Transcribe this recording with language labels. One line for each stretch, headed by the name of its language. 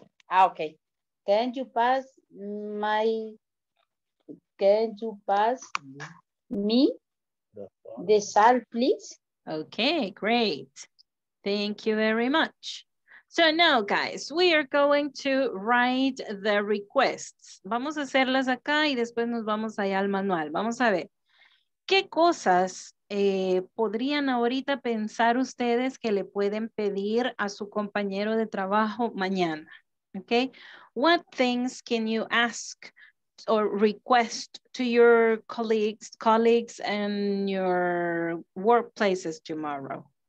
English: Okay. Can you pass me the salt, please? Okay, great. Thank you very much. So now, guys, we are going to write the requests.
Spanish: Vamos a hacerlas acá y después nos vamos allá al manual. Vamos a ver. ¿Qué cosas podrían ahorita pensar ustedes que le pueden pedir a su compañero de trabajo mañana?
English: Okay. What things can you ask or request to your colleagues and your workplaces tomorrow?